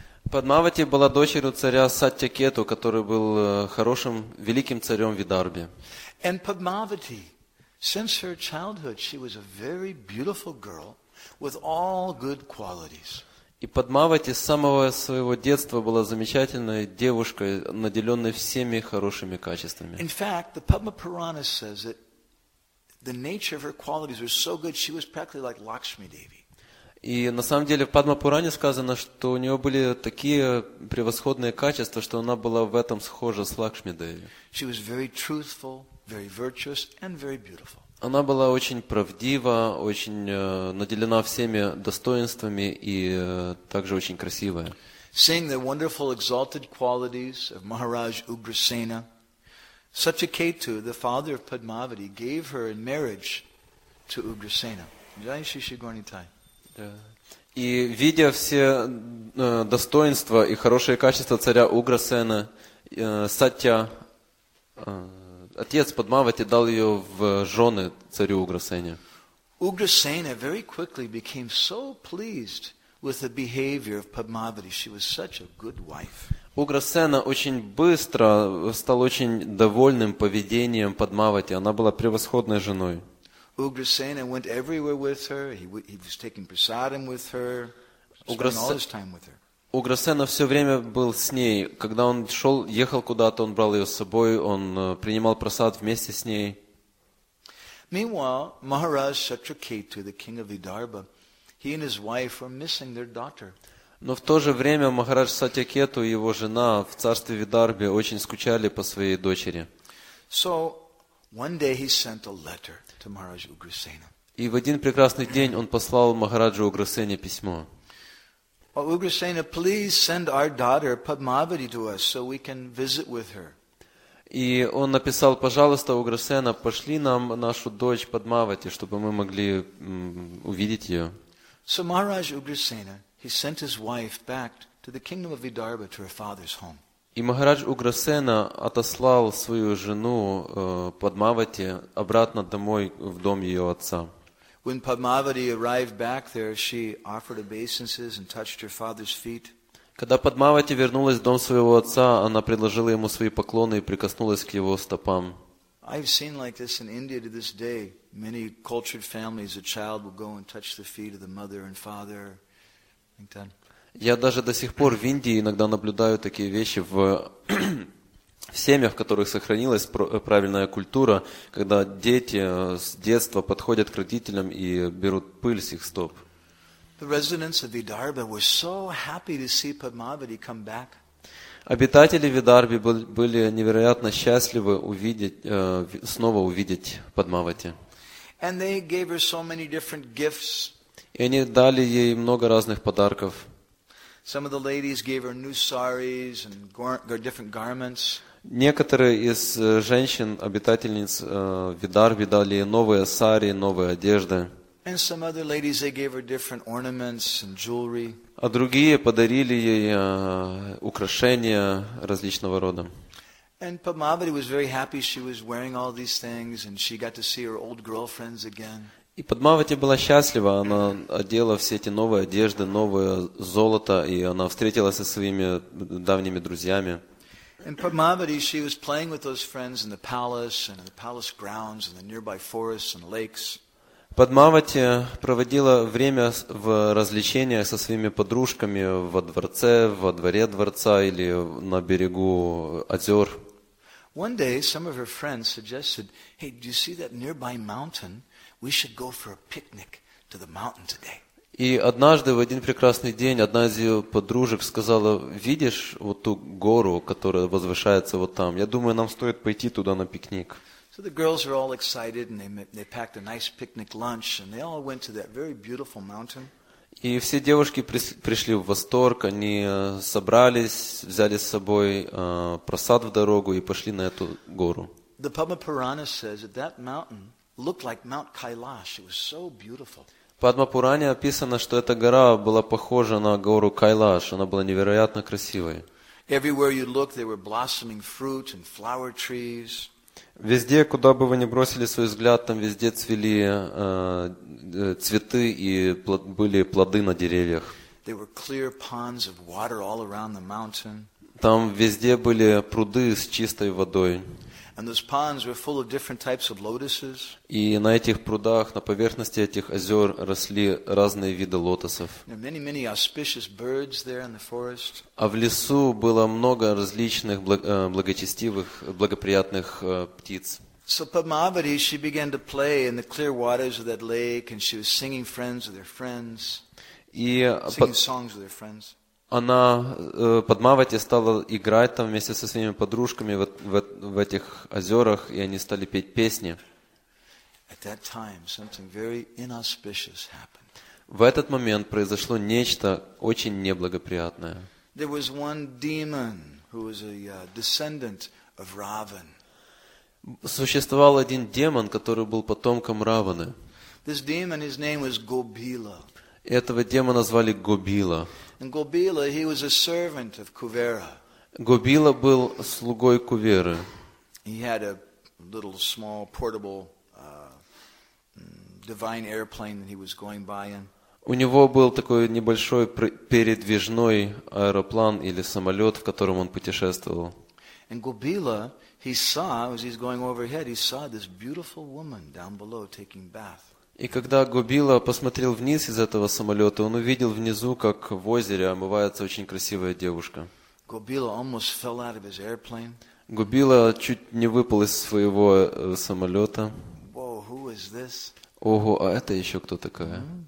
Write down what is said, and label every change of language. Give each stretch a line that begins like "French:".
Russian: Падмавати была дочерью царя Сатьякету, который был хорошим, великим царем Видарбе.
English: And Padmavati, since her childhood, she was a very beautiful girl with all good qualities.
Russian: И Падмавати с самого своего детства была замечательной девушкой, наделенной всеми хорошими качествами.
English: In fact, the Padma Purana says that the nature of her qualities were so good, she was practically like Lakshmi Devi.
Russian: И на самом деле в Падма-Пуране сказано, что у нее были такие превосходные качества, что она была в этом схожа с Лакшми-деви.
English: She was very truthful, very virtuous, and very beautiful.
Russian: Она была очень правдива, очень наделена всеми достоинствами и также очень красивая.
English: Seeing the wonderful exalted qualities of Maharaj Ugrasena, Sachiketu, the father of Padmavati, gave her in marriage to Ugrasena.
Sanskrit: Jai Shri Shri Gaurinitai.
Russian: И видя все достоинства и хорошие качества царя Уграсена, Сатья, отец Падмавати дал ее в жены царю Уграсене.
English: Уграсена very quickly became so pleased with the behavior of Padmavati. She was such a good wife.
Russian: Уграсена очень быстро стал очень довольным поведением Падмавати. Она была превосходной женой.
English: Ugrasena went everywhere with her. He was taking prasadam with her, spending all his time with her.
Russian: Уграсена все время был с ней. Когда он шел, ехал куда-то, он брал ее с собой, он принимал прасад вместе с ней.
English: Meanwhile, Maharaj Satraketu, the king of Vidarbha, he and his wife were missing their daughter.
Russian: Но в то же время Махарадж Сатьякету и его жена в царстве Видарбе очень скучали по своей дочери.
English: So one day he sent a letter. To Maharaj Ugrasena.
Russian: И в один прекрасный день он послал Махараджу Уграсене письмо.
English: О, Ugrasena, please send our daughter Padmavati to us so we can visit with her.
Russian: И он написал: пожалуйста, Ugrasena, пошли нам нашу дочь Падмавати, чтобы мы могли увидеть ее.
English: So Maharaj Ugrasena, he sent his wife back to the kingdom of Vidarbha to her father's home.
Russian: И Махарадж Уграсена отослал свою жену Падмавати обратно домой, в дом ее отца.
English: When Padmavati arrived back there, she offered obeisances and touched her father's feet.
Russian: Когда Падмавати вернулась в дом своего отца, она предложила ему свои поклоны и прикоснулась к его стопам.
English: I've seen like this in India to this day. Many cultured families, a child will go and touch the feet of the mother and father.
Russian: Я даже до сих пор в Индии иногда наблюдаю такие вещи в семьях, в которых сохранилась правильная культура, когда дети с детства подходят к родителям и берут пыль с их стоп.
English: The residents of Vidarbha were so happy to see Padmavati come back.
Russian: Обитатели Видарбы были невероятно счастливы снова увидеть Падмавати.
English: And they gave her so many different gifts.
Russian: И они дали ей много разных подарков.
English: Some of the ladies gave her new saris and different garments.
Russian: Некоторые из женщин, обитательниц Видарбы, дали ей новые сари, новые одежды.
English: And some other ladies they gave her different ornaments and jewelry.
Russian: А другие подарили ей украшения различного рода.
English: And Padmavati was very happy she was wearing all these things and she got to see her old girlfriends again.
Russian: И Падмавати была счастлива, она одела все эти новые одежды, новое золото, и она встретилась со своими давними друзьями.
English: And Padmavati, she was playing with those friends in the palace, and in the palace grounds, and the nearby forests and lakes.
Russian: Падмавати проводила время в развлечениях со своими подружками во дворце, во дворе дворца или на берегу озер.
English: One day, some of her friends suggested, "Hey, do you see that nearby mountain? We should go for a picnic to the mountain today."
Russian: И однажды в один прекрасный день одна из ее подружек сказала: "Видишь вот ту гору, которая возвышается вот там? Я думаю, нам стоит пойти туда на пикник."
English: So the girls were all excited, and they packed a nice picnic lunch, and they all went to that very beautiful mountain.
Russian: И все девушки пришли в восторг. Они собрались, взяли с собой просад в дорогу и пошли на эту гору.
English: The Padma Purana says that that mountain looked like Mount Kailash. It was so beautiful.
Russian: Padma Purana описано, что эта гора была похожа на гору Кайлаш. Она была невероятно красивой.
English: Everywhere you looked, there were blossoming fruit and flower trees.
Russian: Везде, куда бы вы ни бросили свой взгляд, там везде цвели цветы и были плоды на деревьях.
English: There were clear ponds of water all around the mountain.
Russian: Там везде были пруды с чистой водой.
English: And those ponds were full of different types of lotuses.
Russian: И на этих прудах, на поверхности этих озер росли разные виды лотосов.
English: There were many, many auspicious birds there in the forest.
Russian: А в лесу было много различных благочестивых, благоприятных птиц.
English: So Padmavati, she began to play in the clear waters of that lake, and she was singing friends with her friends, songs with her friends.
Russian: Она, Падмавати, стала играть там вместе со своими подружками в этих озерах, и они стали петь песни.
English: At that time, something very inauspicious happened.
Russian: В этот момент произошло нечто очень неблагоприятное.
English: There was one demon who was a descendant of Ravan.
Russian: Существовал один демон, который был потомком Раваны.
English: This demon, his name was Gobila.
Russian: Этого демона звали Гобила.
English: And Gobila, he was a servant of Kuvera.
Russian: Gobila был слугой Куверы.
English: He had a little small portable divine airplane that he was going by in.
Russian: У него был такой небольшой передвижной аэроплан или самолет, в котором он путешествовал.
English: And Gobila, he saw, as he's going overhead, he saw this beautiful woman down below taking bath.
Russian: И когда Гобила посмотрел вниз из этого самолета, он увидел внизу, как в озере омывается очень красивая девушка.
English: Gobila almost fell out of his airplane.
Russian: Гобила чуть не выпал из своего самолета.
English: Whoa, who is this?
Russian: Ого, а это еще кто такая?